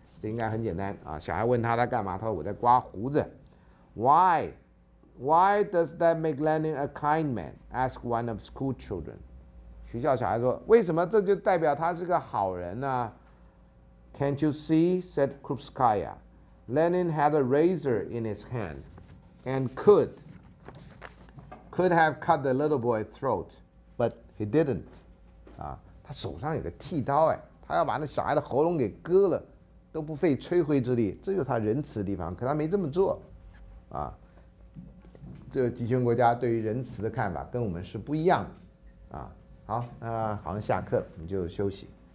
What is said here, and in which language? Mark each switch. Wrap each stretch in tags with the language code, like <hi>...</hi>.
<zh>这应该很简单啊，小孩问他在干嘛，他说我在刮胡子。</zh> <en>Why does that make Lenin a kind man? Asked one of school children.</en> <zh>学校小孩说，为什么这就代表他是个好人呢？</zh> <en>Can't you see? Said Krupskaya. Lenin had a razor in his hand and could have cut the little boy's throat, but he didn't.</en> <zh>啊，他手上有个剃刀，哎，他要把那小孩的喉咙给割了，都不费吹灰之力，这就是他仁慈的地方。可他没这么做，啊，这个集权国家对于仁慈的看法跟我们是不一样的，啊。好，那好像下课了，你就休息。</zh>